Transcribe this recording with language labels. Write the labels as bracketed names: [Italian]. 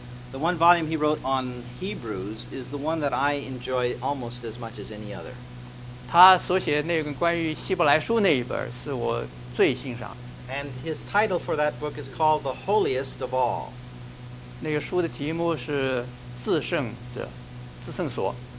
[English] The one volume he wrote on Hebrews is the one that I enjoy almost as much as any other. [Chinese] 他所写的那个关于希伯来书那一本是我最欣赏的。 [English] And his title for that book is called The Holiest of All. [Chinese] 那个书的题目是至圣者，至圣所。